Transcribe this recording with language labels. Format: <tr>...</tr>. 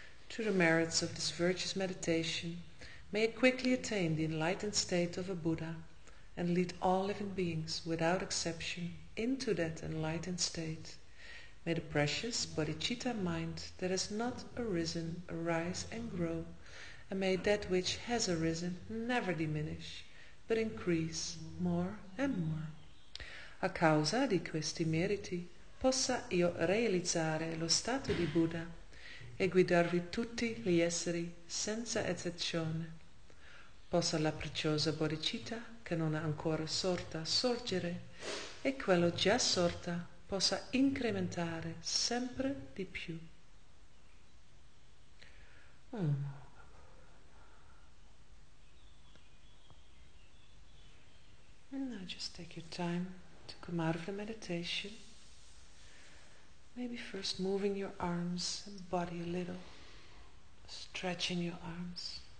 <en>To the merits of this virtuous meditation, may it quickly attain the enlightened state of a Buddha and lead all living beings without exception into that enlightened state. May the precious bodhicitta mind that has not arisen arise and grow, and may that which has arisen never diminish, but increase more and more.</en> <it>A causa di questi meriti possa io realizzare lo stato di Buddha e guidarvi tutti gli esseri senza eccezione. Possa la preziosa bodhicitta che non è ancora sorta sorgere e quello già sorta possa incrementare sempre di più.</it> <en>And now just take your time to come out of the meditation. Maybe first moving your arms and body a little, stretching your arms.</en>